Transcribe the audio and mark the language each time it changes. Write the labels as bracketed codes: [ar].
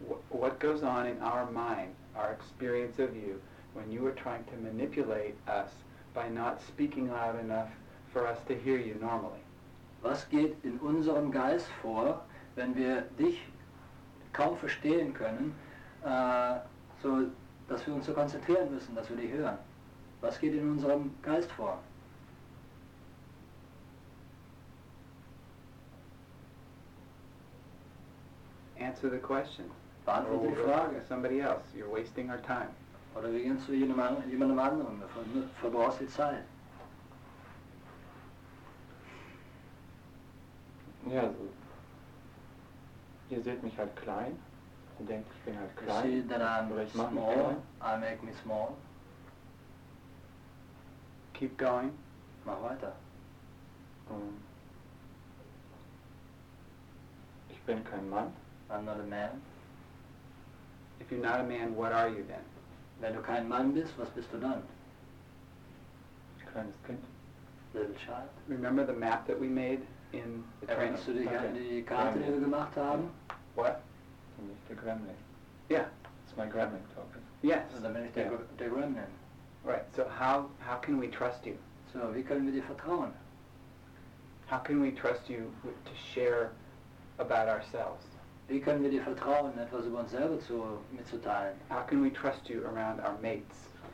[en] What goes on in our mind, our experience of you, when you are trying to manipulate us by not speaking loud enough for us to hear you normally? [de] Was geht in unserem Geist vor, wenn wir dich kaum verstehen können, so dass wir uns so konzentrieren müssen, dass wir dich hören? Was geht in unserem Geist vor? [en] Answer the question. [de] Beantworte die Frage. [en] Somebody else. You're wasting our time. [de] Oder wie gehst du jemandem anderen? Verbrauchst die Zeit. Ja, also, ihr seht mich halt klein, ihr denkt, ich bin halt klein, aber ich mache mich small, klein. [en] I make me small. Keep going. [de] Mach weiter. Ich bin kein Mann. [en] I'm not a man. If you're not a man, what are you then? [de] Wenn du kein Mann bist, was bist du dann? Kleines Kind. [en] Little child. Remember the map that we made? In the train. [de] Erinnerst du dich an die Karte, die wir gemacht haben? [en] What? [de] Bin ich der Gremlin? [en] Yeah. It's my Gremlin token. Yes. [de] So dann bin ich der Gremlin. [en] Right. So how can we trust you? [de] So wie können wir dir vertrauen? [en] How can we trust you to share about ourselves? [de] Wie können wir dir vertrauen, etwas über uns selber mitzuteilen? [en] How can we trust you around our mates?